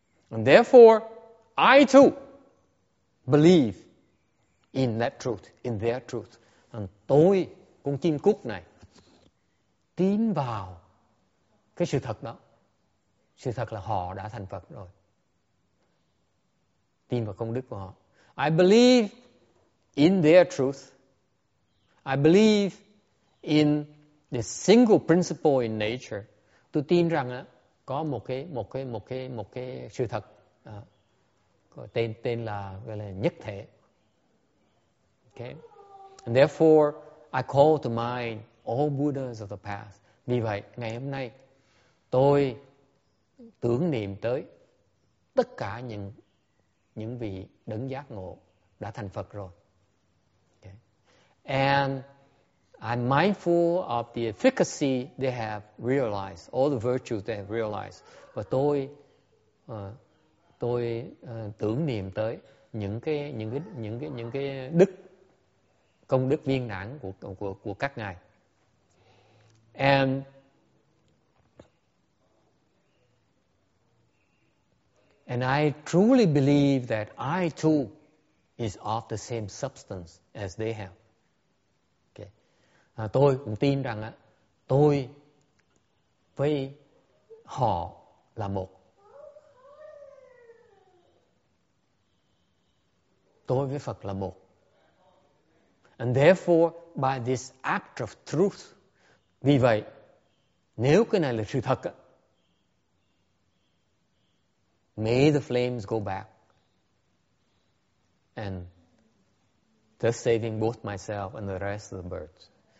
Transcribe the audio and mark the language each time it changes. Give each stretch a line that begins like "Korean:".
English: And therefore, I too believe in that truth, in their truth.
Vietnamese: And tôi, con chim cút này, tin vào cái sự thật đó. Sự thật là họ đã thành Phật rồi. Tin vào công đức của họ.
English: I believe in their truth. I believe in the single principle in nature.
Vietnamese: Tôi tin rằng có một cái sự thật tên là gọi là nhất thể.
English: Okay. And therefore, I call to mind all Buddhas of the past.
Vietnamese: Vì vậy, ngày hôm nay tôi tưởng niệm tới tất cả những vị đấng giác ngộ đã thành Phật rồi.
English: Okay. And I'm mindful of the efficacy they have realized, all the virtues they have realized.
Vietnamese: Và tôi tưởng niệm tới những cái đức, công đức viên mãn của các ngài.
English: And I truly believe that I too is of the same substance as they have. Okay.
Vietnamese: Tôi cũng tin rằng tôi với họ là một. Tôi với Phật là một.
English: And therefore, by this act of truth,
Vietnamese: vì vậy, nếu cái này là sự thật á,
English: may the flames go back and thus saving both myself and the rest of the birds.